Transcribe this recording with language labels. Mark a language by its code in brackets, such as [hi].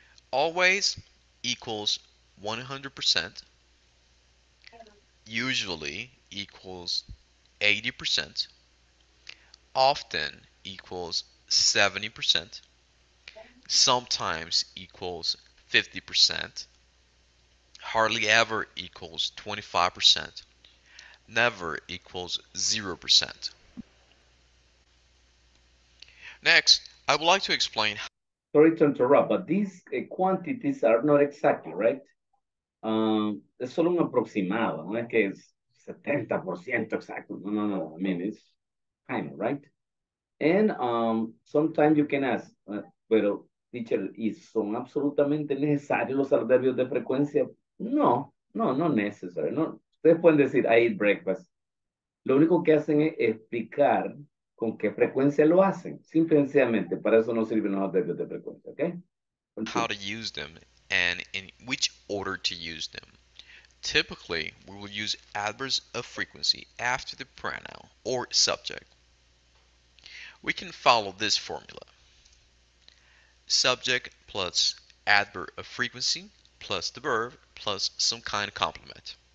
[en] Always equals 100%, usually equals 80%, often equals 70%, sometimes equals 50%, hardly ever equals 25%, never equals 0%. Next, I would like to explain how. Sorry to interrupt, but these quantities are not exactly right. [es] Es solo un aproximado, no es que es 70% exacto. [en] No. I mean, it's kind of right. And sometimes you can ask, [es] pero, teacher, ¿y son absolutamente necesarios los adverbios de frecuencia? No necesario. No. Ustedes pueden decir, [en] I eat breakfast. [es] Lo único que hacen es explicar con qué frecuencia lo hacen, simple y sencillamente. Para eso no sirven los adverbios de frecuencia, ¿ok? [en] How to use them and in which order to use them. Typically, we will use adverbs of frequency after the pronoun or subject. We can follow this formula. Subject plus adverb of frequency plus the verb plus some kind of complement.